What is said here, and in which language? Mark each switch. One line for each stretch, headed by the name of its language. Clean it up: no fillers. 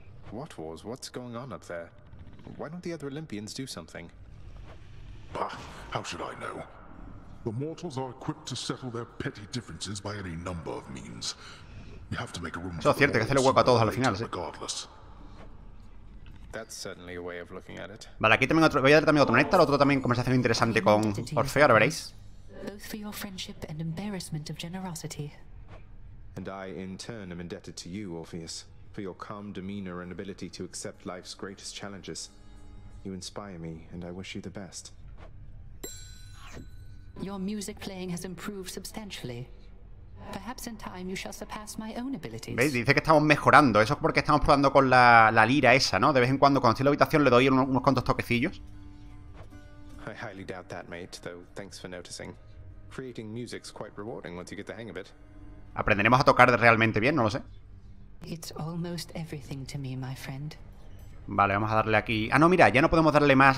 English: What wars? What's going on up there? Why don't the other Olympians do something? Bah, how should I know? The mortals are equipped to settle their petty differences by any number of means. You have to make a room for them all, so they can fight regardless. That's certainly a way of looking at it.
Spanish: Vale, aquí también otro, voy a dar también otro néctar, otro también conversación interesante con Orfeo, ahora veréis.
English: Both for your friendship and embarrassment of generosity. And I in turn am indebted to you, Orpheus, for your calm demeanor and ability to accept life's greatest challenges. You inspire me and I wish you the best. Your music playing has improved substantially. Perhaps in time you shall surpass my own abilities.
Spanish: ¿Veis? Dice que estamos mejorando. Eso es porque estamos probando con la lira esa, ¿no? De vez en cuando, cuando estoy en la habitación, le doy unos cuantos toquecillos.
English: I highly doubt that, mate, though thanks for noticing. Creating music's quite rewarding once you get the hang of it.
Spanish: ¿Aprenderemos a tocar realmente bien? No lo sé.
English: It's almost everything to me, my friend.
Spanish: Vale, vamos a darle aquí. Ah, no, mira, ya no podemos darle más.